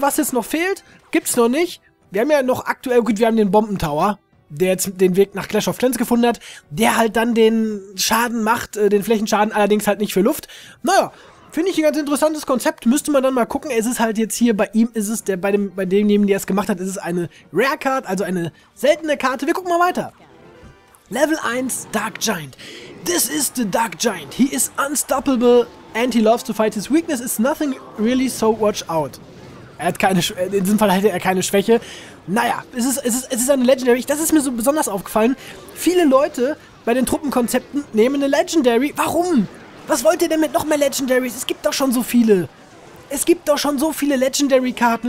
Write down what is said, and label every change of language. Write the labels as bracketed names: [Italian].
[German] Was jetzt noch fehlt, gibt's noch nicht. Wir haben ja noch aktuell, gut, wir haben den Bomben Tower, der jetzt den Weg nach Clash of Clans gefunden hat, der halt dann den Schaden macht, den Flächenschaden, allerdings halt nicht für Luft. Naja, finde ich ein ganz interessantes Konzept, müsste man dann mal gucken. Es ist halt jetzt hier bei ihm, ist es der, bei demjenigen, der es gemacht hat, ist es eine Rare Card, also eine seltene Karte. Wir gucken mal weiter. Level 1, Dark Giant. [English] This is the Dark Giant. He is unstoppable and he loves to fight. His weakness is nothing really, so watch out. [German] Er hat keine, in diesem Fall hatte er keine Schwäche. Naja, es ist eine Legendary. Das ist mir so besonders aufgefallen. Viele Leute bei den Truppenkonzepten nehmen eine Legendary. Warum? Was wollt ihr denn mit noch mehr Legendaries? Es gibt doch schon so viele. Es gibt doch schon so viele Legendary-Karten.